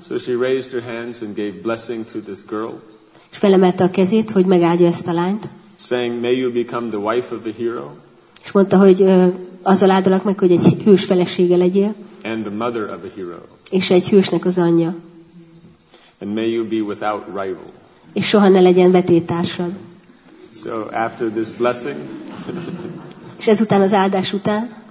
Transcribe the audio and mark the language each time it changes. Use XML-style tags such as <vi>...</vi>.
<en>So she raised her hands and gave blessing to this girl.</en> <hu>És felemelte a kezét, hogy megáldja ezt a lányt.</hu> <en>Saying, "May you become the wife of a hero."</en> <hu>És mondta, hogy azzal áldalak meg, hogy egy hős felesége legyél.</hu> <en>And the mother of a hero.</en> <hu>És egy hősnek az anyja.</hu> <en>And may you be without rival.</en> <hu>És soha ne legyen vetétársad.</hu> <en>So after this blessing.</en> <hu>És ezután az áldás után.</hu>